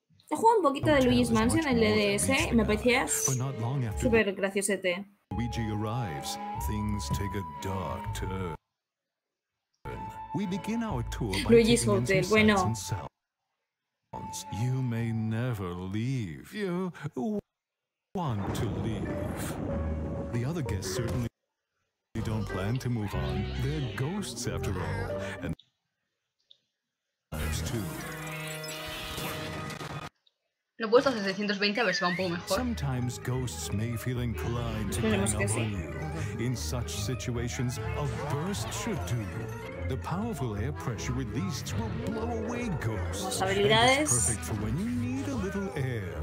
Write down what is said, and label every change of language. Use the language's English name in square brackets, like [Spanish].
[Spanish] He jugado un poquito de Luigi's Mansion, el DDS, y me parecía súper graciosete. [English] Luigi arrives, things take a dark turn. We begin our tour by Luigi's Hotel, [Spanish] bueno. [English] You may never leave. You want to leave. The other guests certainly don't plan to move on. They're ghosts after all. And [Spanish] lo he puesto a 720 a ver si va un poco mejor. [English] Sometimes ghosts may feel inclined to come over you. In such situations, a burst should do. The powerful air pressure released will blow away ghosts. [Spanish] Las habilidades. [English] Perfect for when you need a little air.